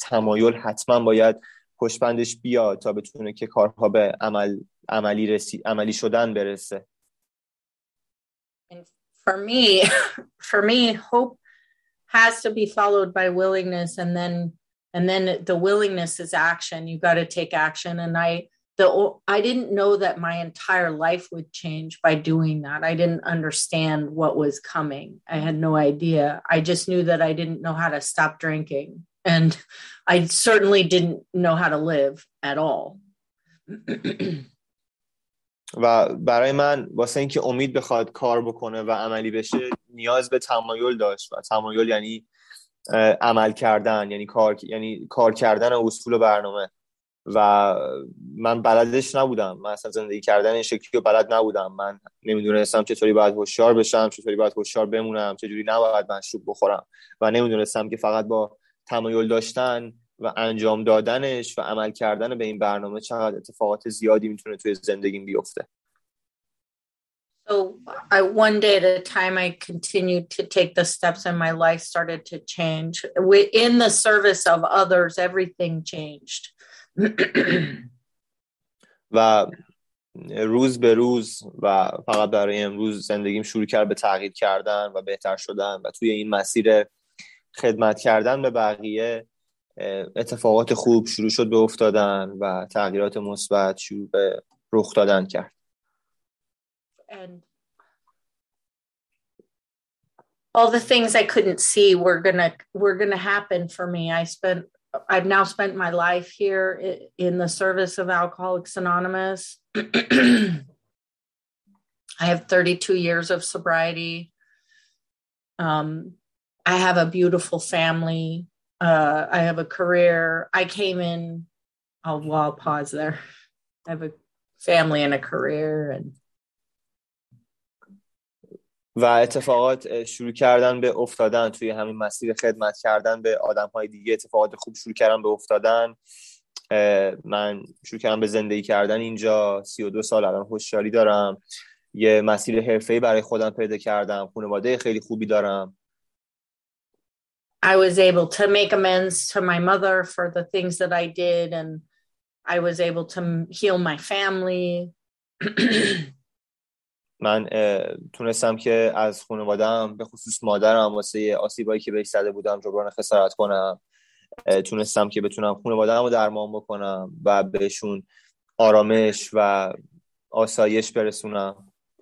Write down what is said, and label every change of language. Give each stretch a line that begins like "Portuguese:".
Persian: تمایل حتما باید پشتبندش بیاد تا بتونه که کارها به عملی شدن برسه.
English: For me hope has to be followed by willingness, and then the willingness is action. You got to take action. And I didn't know that my entire life would change by doing that. I didn't understand what was coming. I had no idea. I just knew that I didn't know how to stop drinking. And I certainly didn't know how to live at all.
Persian: و برای من واسه این که امید بخواد کار بکنه و عملی بشه نیاز به تمایل داشت، و تمایل یعنی عمل کردن، یعنی کار کردن اصول و برنامه. و من بلدش نبودم، من اصلا زندگی کردن این شکلی رو بلد نبودم. من نمیدونستم چطوری باید هوشیار بشم، چطوری باید هوشیار بمونم، چجوری نباید مشروب بخورم، و نمیدونستم که فقط با تمایل داشتن و انجام دادنش و عمل کردن به این برنامه چقدر اتفاقات زیادی میتونه توی زندگیم بیفته.
English: So one day at a time, I continued to take the steps and my life started to change. In the service of others, everything changed.
Persian: و روز به روز و فقط برای امروز زندگیم شروع کرد به تغییر کردن و بهتر شدن، و توی این مسیر خدمت کردن به بقیه اتفاقات خوب شروع شد به افتادن و تغییرات مثبت شروع به رخ دادن کرد.
English: And all the things I couldn't see were gonna happen for me. I've now spent my life here in the service of Alcoholics Anonymous. I have 32 years of sobriety. I have a beautiful family. I have a career. I came in. I'll pause there. I have a family and a career. And
Persian: و اتفاقات شروع کردن به افتادن توی همین مسیر خدمت کردن به آدم‌های دیگه، اتفاقات خوب شروع کردن به افتادن. من شروع کردم به زندگی کردن اینجا، 32 سال الان هوشیاری دارم، یه مسیر حرفه‌ای برای خودم پیدا کردم، خانواده خیلی خوبی دارم.
English: I was able to make amends to my mother for the things that I did and I was able to heal my family.
Persian: من تونستم که از خانواده‌ام به خصوص مادرم واسه آسیبایی که بهش زده بودم جبران خسارت کنم. تونستم که بتونم خانواده‌ام رو درمان بکنم و بهشون آرامش و آسایش برسونم.